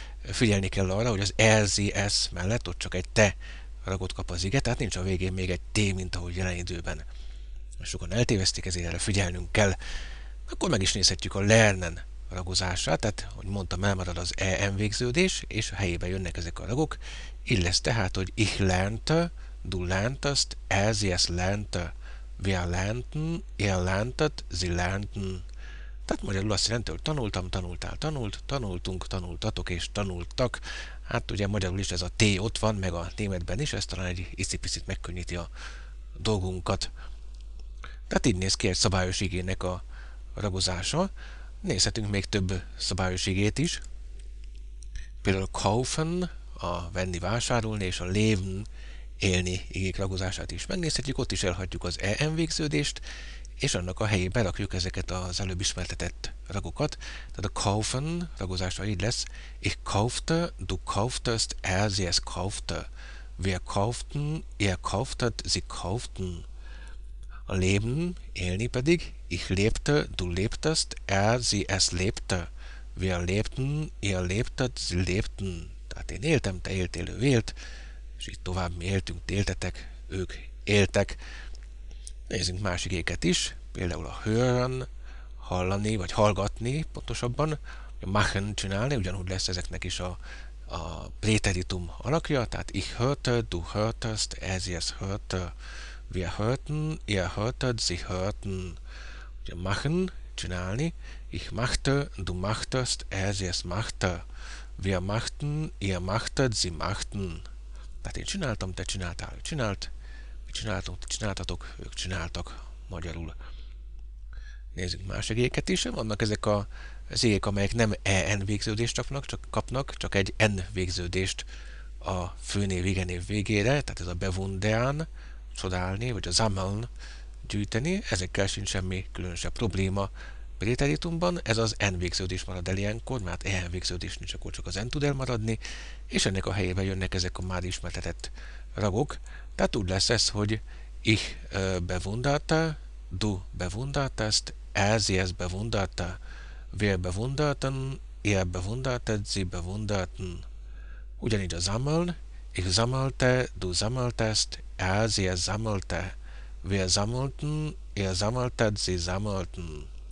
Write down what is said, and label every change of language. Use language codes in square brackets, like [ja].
[hu] Figyelni kell arra, hogy az RZS mellett ott csak egy te ragot kap az ige, tehát nincs a végén még egy T, mint ahogy jelen időben. Sokan eltévesztik, ezért erre figyelnünk kell. Akkor meg is nézhetjük a lernen ragozását, tehát, hogy mondtam, elmarad az EN végződés, és a helyébe jönnek ezek a ragok. Így lesz tehát, hogy [de] ich lernte, du lerntest, RZS lernte, wir lernten, ihr lerntet, sie lernten. [hu] Tehát magyarul azt jelenti, hogy tanultam, tanultál, tanult, tanultunk, tanultatok és tanultak. Hát ugye magyarul is ez a T ott van, meg a németben is, ez talán egy icipicit megkönnyíti a dolgunkat. Tehát így néz ki egy szabályos igének a ragozása. Nézhetünk még több szabályos igét is. Például kaufen, a venni, vásárolni, és a leben, élni igék ragozását is megnézhetjük. Ott is elhagyjuk az EN végződést, és annak a helyébe rakjuk ezeket az előbb ismertetett ragokat. Tehát a kaufen ragozása így lesz. [de] Ich kaufte, du kauftest, er, sie es kaufte. Wir kauften, ihr kauftet, sie kauften. [hu] A leben, élni pedig. [de] Ich lebte, du lebtest, er, sie es lebte. Wir lebten, ihr lebtet, sie lebten. [hu] Tehát én éltem, te éltél, ő élt. És így tovább, mi éltünk, ti éltetek, ők éltek. Nézzünk más igéket is, például a hören, hallani, vagy hallgatni pontosabban, a machen csinálni, ugyanúgy lesz ezeknek is a préteritum alakja, tehát [de] ich hörte, du hörtest, er, sie es hörte, wir hörten, ihr hörtet, sie hörten. [hu] Ugye machen, csinálni, [de] ich machte, du machtest, er, sie es machte, wir machten, ihr machtet, sie machten. [hu] Tehát én csináltam, te csináltál, csinált. Csináltunk, csináltatok, ők csináltak magyarul. Nézzük más igéket is. Vannak ezek az igék, amelyek nem EN végződést kapnak, csak egy N végződést a főnév, igenév végére, tehát ez a bewundern, csodálni, vagy a sammeln, gyűjteni. Ezekkel sincs semmi különösebb probléma préteritumban. Ez az N végződés marad el ilyenkor, mert EN végződés nincs, akkor csak az N tud elmaradni, és ennek a helyébe jönnek ezek a már ismertetett ragok. Tehát úgy lesz ez, hogy [de] ich bewunderte, du bewundertest, er, sie es bewunderte, wir bewunderten, ihr bewundertet, sie bewunderten. [hu] Ugyanígy a sammeln, [de] ich sammelte, du sammeltest, er, sie es sammelte, wir sammelten, ihr sammeltet, sie sammelten.